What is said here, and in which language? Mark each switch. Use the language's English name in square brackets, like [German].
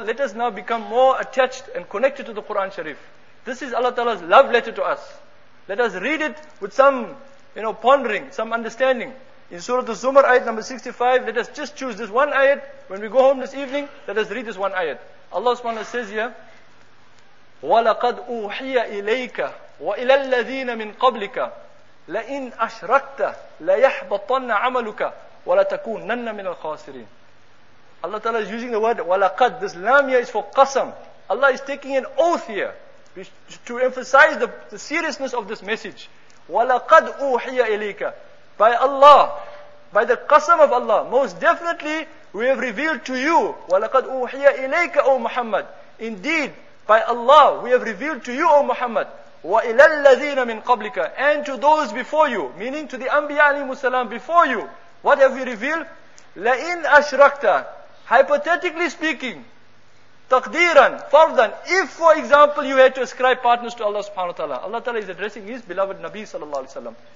[English] Let us now become more attached and connected to the Quran Sharif. This is Allah Ta'ala's love letter to us. Let us read it with some, you know, pondering, some understanding. In Surah Az-Zumar, ayat number 65, let us just choose this one ayat. When we go home this evening, let us read this one ayat. Allah subhanahu wa ta'ala says here, [Arabic] وَلَقَدْ أُوحِيَ إِلَيْكَ وَإِلَى الَّذِينَ مِنْ قَبْلِكَ لَإِنْ أَشْرَكْتَ لَيَحْبَطَنَّ عَمَلُكَ وَلَتَكُونَنَّ مِنَ الْخَاسِرِينَ. [English] Allah Ta'ala is using the word وَلَقَدْ. This lam here is for qasam. Allah is taking an oath here to emphasize the seriousness of this message. [Arabic] وَلَقَدْ أُوحِيَ إِلَيْكَ. [English] By Allah, by the qasam of Allah, most definitely we have revealed to you. [Arabic] وَلَقَدْ أُوحِيَ إِلَيْكَ [English] O Muhammad. Indeed, by Allah, we have revealed to you, O Muhammad, [Arabic] وَإِلَى الَّذِينَ مِنْ قَبْلِكَ, [English] and to those before you, meaning to the Anbiya alayhimu salam before you. What have we revealed? [Arabic] لَإِنْ أَشْرَكْتَ. [English] Hypothetically speaking, [Arabic] تَقْدِيرًا, فَرْضًا, [English] if for example you had to ascribe partners to Allah subhanahu wa ta'ala, Allah ta'ala is addressing His beloved Nabi sallallahu alayhi wa sallam.